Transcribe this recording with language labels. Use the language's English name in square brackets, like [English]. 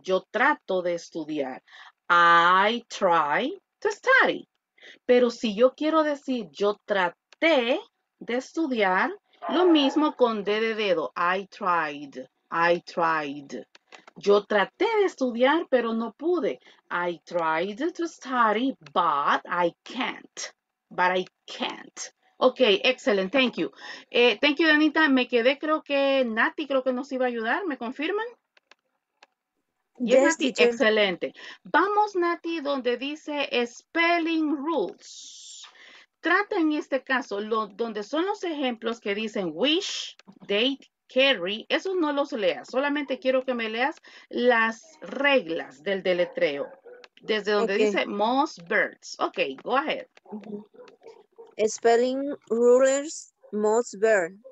[Spanish] Yo trato de estudiar. [English] I try to study. [Spanish] Pero si yo quiero decir yo traté de estudiar, lo mismo con D de dedo. [English] I tried. I tried. [Spanish] Yo traté de estudiar, pero no pude. [English] I tried to study, but I can't. But I can't. Ok, excellent. Thank you. Thank you, Danita. [Spanish] Me quedé, creo que Nati, creo que nos iba a ayudar. ¿Me confirman? [English] Yes, Nati. Teacher. [Spanish] Excelente. Vamos, Nati, donde dice spelling rules. Trata en este caso, donde son los ejemplos que dicen wish, date, carry, eso no los leas, solamente quiero que me leas las reglas del deletreo. Desde donde okay. Dice [English] most birds. Ok, go ahead. Spelling rulers, most birds.